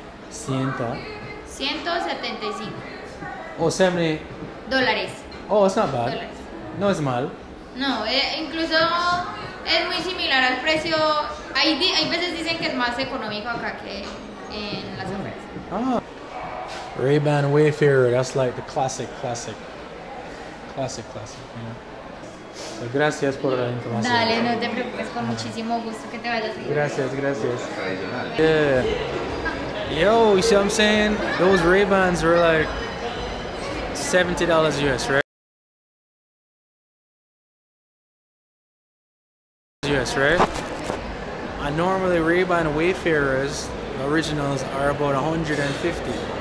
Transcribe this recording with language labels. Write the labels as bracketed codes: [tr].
[es] ¿Ciento? 175. O sea, me... Dólares. [en] Oh, it's not bad. [es] Dólares. No es mal. No, incluso es muy similar al precio. Hay veces dicen que es más económico acá que en las ofertas. Ah. [en] Ray-Ban Wayfarer, that's like the classic. Classic, you know. [es] Gracias por la información. Dale, no te preocupes, con muchísimo gusto que te vayas bien. Gracias. Yeah. [en] Yo, you see what I'm saying? Those Ray-Bans were like $70 US, right? And normally Ray-Ban Wayfarers, the originals, are about 150.